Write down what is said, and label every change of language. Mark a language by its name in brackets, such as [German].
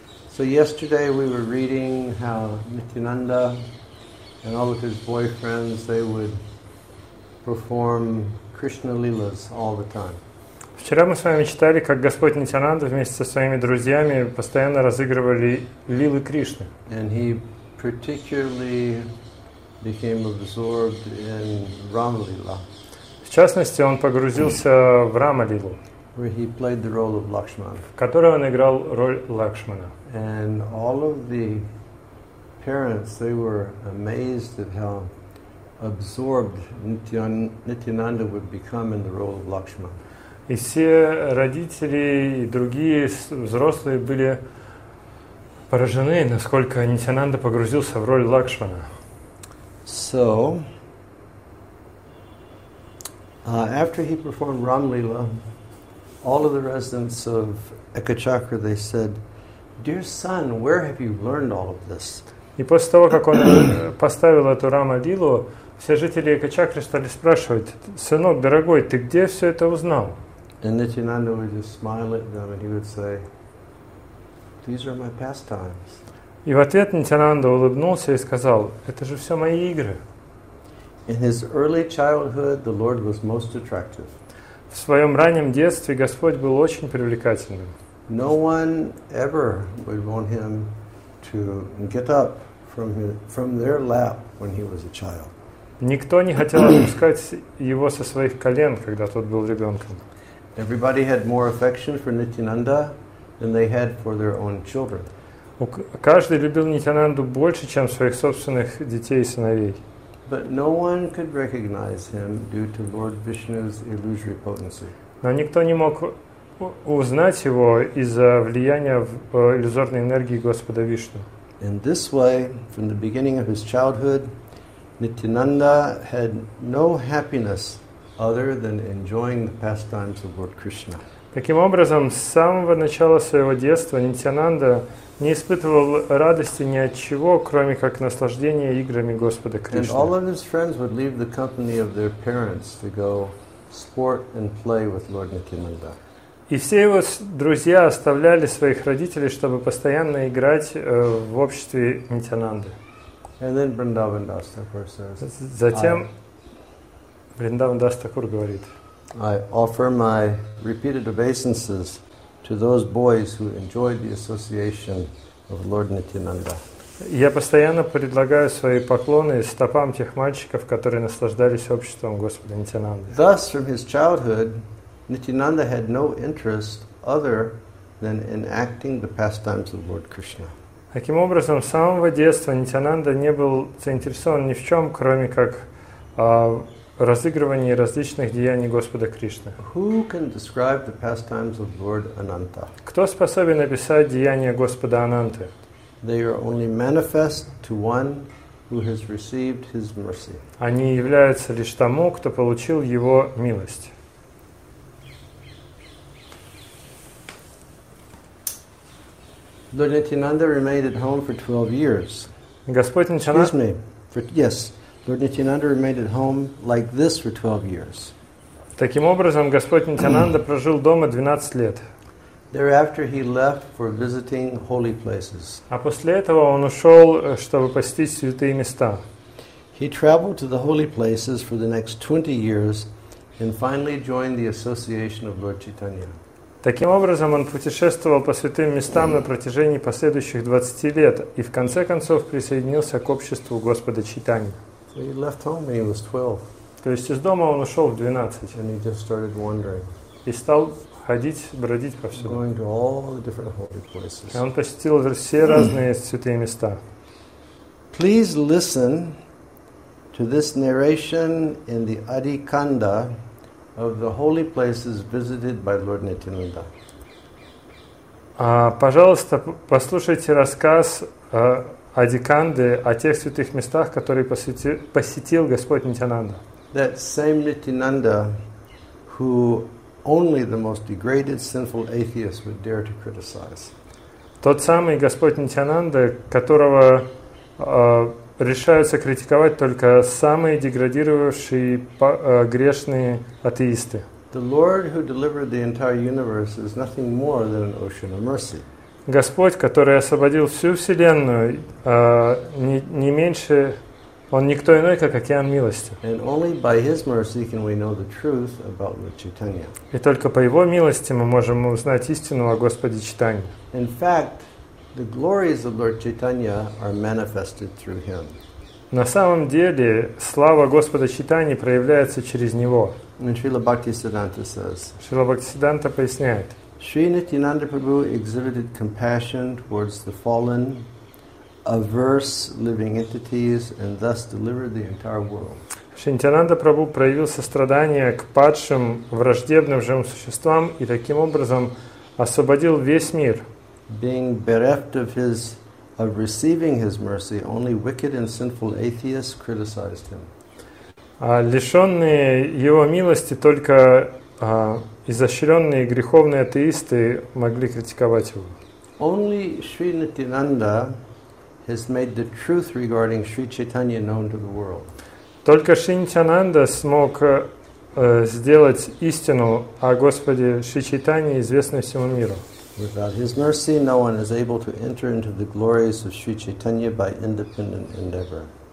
[English] So yesterday we were reading how Nityananda and all of his boyfriends, they would perform Krishna Leelas all the time. [Russian] Вчера мы с вами читали, как Господь Нитянанда вместе со своими друзьями постоянно разыгрывали лилы Кришны. [English] And he particularly became absorbed in Ramalila. [Russian] В частности, он погрузился в Рамалилу. [English] Where he played the role of Lakshman. [Russian] В которой он играл роль Лакшмана. [English] And all of the parents, they were amazed at how absorbed Nityananda would become in the role of Lakshman. [Russian] И все родители и другие взрослые были поражены, насколько Нитянанда погрузился в роль Лакшмана. [English] So, after he performed Ramlila, all of the residents of Ekachakra, they said, "Dear son, where have you learned all of this?" [Russian] И после того, как он поставил эту Рамалилу, все жители Экачакры стали спрашивать: "Сынок дорогой, ты где все это узнал?" [English] And Nityananda would just smile at them, and he would say, "These are my pastimes." [Russian] И в ответ Нитянанда улыбнулся и сказал: "Это же все мои игры." [English] In his early childhood, the Lord was most attractive. [Russian] В своем раннем детстве Господь был очень привлекательным. [English] No one ever would want him to get up from their lap when he was a child. [Russian] Никто не хотел отпускать его со своих колен, когда тот был ребенком. [English] Everybody had more affection for Nityananda than they had for their own children. [Russian] Каждый любил Нитянанду больше, чем своих собственных детей и сыновей. [English] But no one could recognize him due to Lord Vishnu's illusory potency. [Russian] Но никто не мог узнать его из-за влияния иллюзорной энергии Господа Вишну. [English] In this way, from the beginning of his childhood, Nityananda had no happiness other than enjoying the pastimes of Lord Krishna. [Russian] Таким образом, с самого начала своего детства Нитянанда не испытывал радости ни от чего, кроме как наслаждения играми Господа Кришны. [English] And all of his friends would leave the company of their parents to go sport and play with Lord Nityananda. [Russian] И все его друзья оставляли своих родителей, чтобы постоянно играть в обществе Нитянанды. [English] And then Vrindavan Das Thakur says, [Russian] затем Vrindavan Das Thakur говорит: [English] I offer my repeated obeisances to those boys who enjoyed the association of Lord Nityananda. [Russian] Я постоянно предлагаю свои поклоны стопам тех мальчиков, которые наслаждались обществом Господа Нитянанды. [English] Thus, from his childhood, Nityananda had no interest other than enacting the pastimes of Lord Krishna. [Russian] Таким образом, с самого детства Нитянанда не был заинтересован ни в чем, кроме как разыгрывание различных деяний Господа Кришны. [English] Who can describe the pastimes of Lord Ananta? [Russian] Кто способен описать деяния Господа Ананты? [English] They are only manifest to one who has received his mercy. [Russian] Они являются лишь тому, кто получил его милость. [English] Lord Nityananda remained at home for 12 years. [Russian] Господь Нитянанда... [English] Excuse me. Lord Nityananda remained at home like this for 12 years. [Russian] Таким образом, Господь Нитянанда прожил дома 12 лет. [English] Thereafter he left for visiting holy places. [Russian] А после этого он ушёл, чтобы посетить святые места. [English] He traveled to the holy places for the next 20 years and finally joined the association of Lord Chaitanya. [Russian] Таким образом, он путешествовал по святым местам на протяжении последующих 20 лет и в конце концов присоединился к обществу Господа Чайтаньи. [English] So he left home when he was 12. [Russian] То есть из дома он ушёл в 12, [English] and he just started wandering. [Russian] И стал ходить, бродить повсюду. [English] Going to all the different holy places. [Russian] И он посетил все разные святые места. [English] Please listen to this narration in the Adi Kanda of the holy places visited by Lord Nityananda. [Russian] Пожалуйста, послушайте рассказ Адди Канды о тех святых местах, которые посетил Господь Нитянанда. [English] That same Nityananda who only the most degraded sinful atheist would dare to criticize. [Russian] Тот самый Господь Нитянанда, которого решаются критиковать только самые деградировавшие грешные атеисты. [English] The Lord who delivered the entire universe is nothing more than an ocean of mercy. [Russian] Господь, который освободил всю вселенную, не меньше, он никто иной, как океан милости. [English] And only by his mercy can we know the truth about Lord Chaitanya. [Russian] И только по его милости мы можем узнать истину о Господе Чайтанье. [English] In fact, the glories of Lord Chaitanya are manifested through him. [Russian] На самом деле, слава Господа Чайтаньи проявляется через него. [English] And Srila Bhaktisiddhanta says, [Russian] Srila Bhaktisiddhanta поясняет, [English] Sri Nityananda Prabhu exhibited compassion towards the fallen, averse living entities, and thus delivered the entire world. [Russian] Sri Nityananda Prabhu проявил сострадание к падшим, враждебным живым существам и таким образом освободил весь мир. [English] Being bereft of receiving his mercy, only wicked and sinful atheists criticized him. [Russian] Лишённые его милости, только изощрённые греховные атеисты могли критиковать его. [English] Only Sri Nityananda has made the truth regarding Sri Chaitanya known to the world. [Russian] Только Sri Nityananda смог сделать истину о Господе Sri Chaitanya известной всему миру. [English] Without his mercy, no one is able to enter into the glories of Sri Chaitanya by independent endeavor.